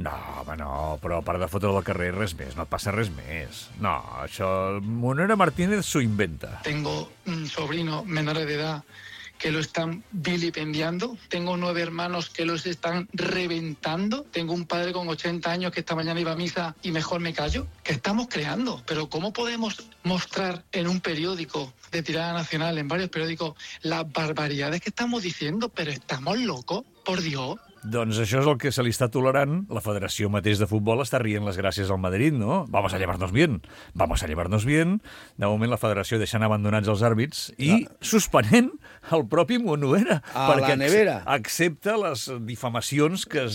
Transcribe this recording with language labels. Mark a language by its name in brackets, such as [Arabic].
[Catalan] No, home, no, però a part de fotre al carrer res més, no et passa res més. No, això Monera Martínez s'ho inventa. [Spanish] Tengo un sobrino menor de edad que lo están vilipendiando. Tengo 9 hermanos que los están reventando. Tengo un padre con 80 años que esta mañana iba a misa y mejor me callo. ¿Qué estamos creando? ¿Pero cómo podemos mostrar en un periódico de tirada nacional, en varios periódicos, las barbaridades que estamos diciendo? ¿Pero estamos locos? Por Dios. [Catalan] Doncs això és el que se li està tolerant. La federació mateix de futbol està rient les gràcies al Madrid, no? [Spanish] Vamos a llevarnos bien. Vamos a llevarnos bien. [Catalan] De moment la federació deixant abandonats els àrbits i suspenent el propi Monuera. Perquè la nevera. Accepta les difamacions que es...